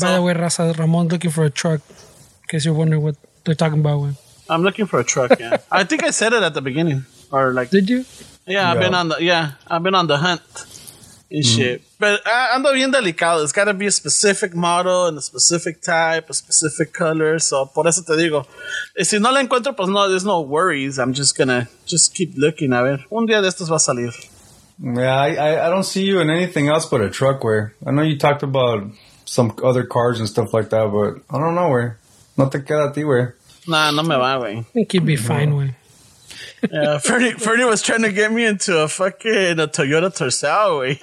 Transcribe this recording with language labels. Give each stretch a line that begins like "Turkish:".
English: By the way, Raza, Ramon looking for a truck. In case you're wondering what they're talking about, when I'm looking for a truck. Yeah, I think I said it at the beginning, or like, did you? Yeah, yeah. I've been on the hunt and shit. But
Spanish: ando bien delicado.
English: It's got to be a specific model and a specific type, a specific color.
Spanish: So por eso te digo, si no la encuentro, pues no,
English: there's no worries. I'm just gonna just keep looking.
Spanish: A ver, un día de estos va a salir.
English: Yeah, I don't see you in anything else but a truck. Where I know you talked about some other cars and stuff like that, but I don't know where.
Spanish: No te queda a ti,
English: where.
Spanish: Nah, no me va, wey.
English: I think you'd be fine, wey. Yeah, Fernie was trying to get me into a fucking a Toyota Tercel, wey.